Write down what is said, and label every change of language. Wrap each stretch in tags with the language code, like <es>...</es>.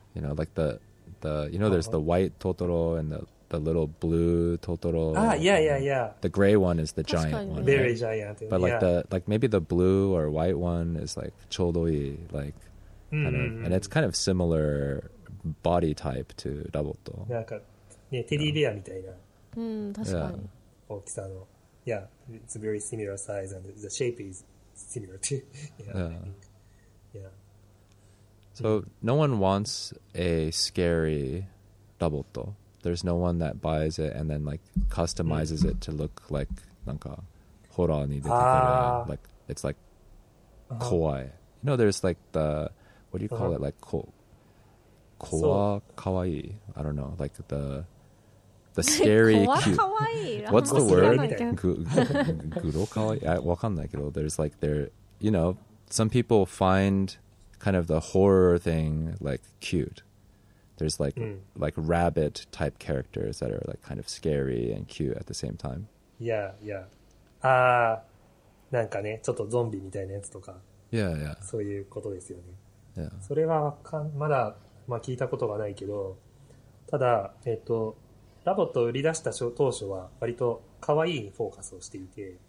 <en>You know, like the you know, there's the white Totoro and the little blue Totoro. The gray one is the giant one. Very giant. But like maybe the blue or white one is like chodoi, like, and it's kind of similar. Body type to Roboto.</en> <ja>なんかねテディベアみたいな。確かに。大きさの。</ja> <en>Yeah, it's a very similar size and the shape is similar too. So no one wants a scary Roboto. There's no one that buys it and then like customizes it to look like</en> <ja>なんかホラーに出てくる。</ja> <en>Like it's like 怖い。 You know, there's like the what do you call it? Like cool. コアかわいい I don't know like the scary cute what's the word</en> <ja>グロかわいいわかんないけど</ja> <en>there's like there you know some people find kind of the horror thing like cute there's like、like rabbit type characters that are like kind of scary and cute at the same time</en> <ja>yeah なんかねちょっとゾンビみたいなやつとか yeah そういうことですよね、 yeah. それはまだまあ、聞いたことがないけど、ただ、ラボットを売り出した当初は割と可愛いにフォーカスをしていて、</ja>